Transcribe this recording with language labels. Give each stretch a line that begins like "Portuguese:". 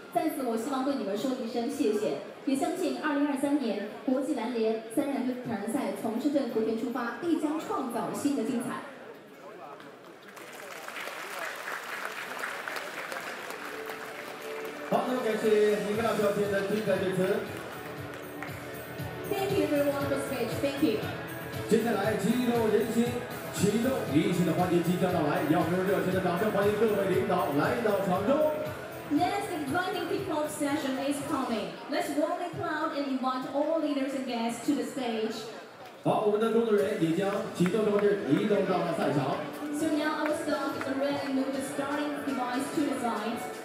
Chinese: 再次，我希望对你们说一声谢谢，也相信2023年国际篮联三人篮球挑战赛从深圳福田出发，必将创造新的精彩。好，那么感谢您们的表现的精彩致辞。
English: Thank you everyone for the speech. Thank you.
Chinese: 接下来激动人心、启动热情的环节即将到来，让我们用热情的掌声欢迎各位领导来到场中。
English: Next exciting kickoff session is coming. Let's warmly clap and invite all leaders and guests to the stage.
Chinese: 好，我们的工作人员也将启动装置移动到了赛场。
English: So now our staff is ready to move the starting device to the side.